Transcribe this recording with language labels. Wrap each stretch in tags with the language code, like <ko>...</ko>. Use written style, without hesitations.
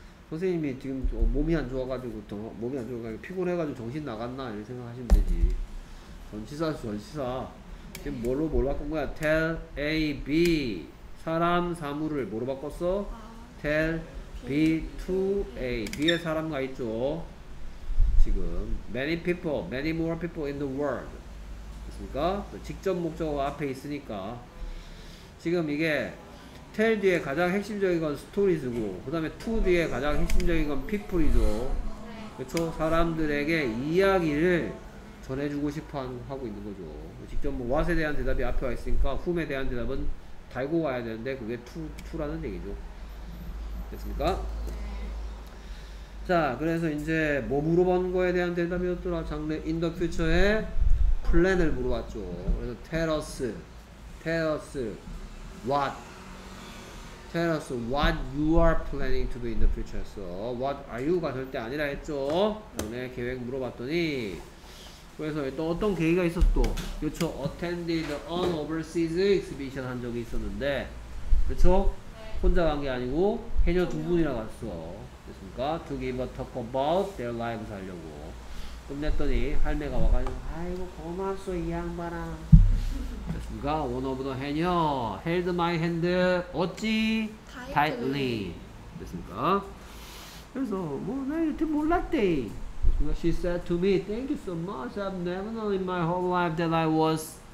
<ko>선생님이 지금 몸이 안 좋아가지고 몸이 안 좋아가지고 피곤해가지고 정신 나갔나 이렇게 생각하시면 되지. 전시사죠, 전시사. 지금 뭘로 뭘 바꾼 거야?</ko> <en>Tell A, B.</en> <ko>사람, 사물을 뭐로 바꿨어?</ko> <en>Tell B to A.</en> <ko>B에 사람과 있죠. 지금</ko> <en>many people, many more people in the world.</en> <ko>됐습니까? 직접 목적어 앞에 있으니까 지금 이게 tell 뒤에 가장 핵심적인 건 stories고 그 다음에 to 뒤에 가장 핵심적인 건 people이죠. 그렇죠? 사람들에게 이야기를 전해주고 싶어 하고 있는 거죠. 직접 뭐 what에 대한 대답이 앞에 와 있으니까 whom에 대한 대답은 달고 와야 되는데 그게 to라는 얘기죠. 됐습니까? 자, 그래서 이제 뭐 물어본 거에 대한 대답이었더라. 장래</ko> <en>in the future</en> <ko>의 플랜을 물어봤죠. 그래서</ko> <en>tell us what you are planning to do in the future. So what are you가</en> <ko>절대 아니라 했죠. 장래 계획 물어봤더니 그래서 또 어떤 계기가 있었어. 그렇죠.</ko> <en>attended an overseas exhibition</en> <ko>한 적이 있었는데 그렇죠. 혼자 간 게 아니고 해녀 두 분이랑 갔어. 됐습니까?</ko> <en>To give a talk about their lives</en> <ko>하려고. 끝냈더니 할매가 와가지고 아이고 고맙소 이 양반아. 됐습니까?</ko> <en>One of the 해녀 held my hand</en> <ko>어찌?</ko> <en>Tightly.</en> <ko>됐습니까? 그래서 뭐 나 이렇게 몰랐대.</ko> <en>She said to me, thank you so much. I've never known in my whole life that I was</en>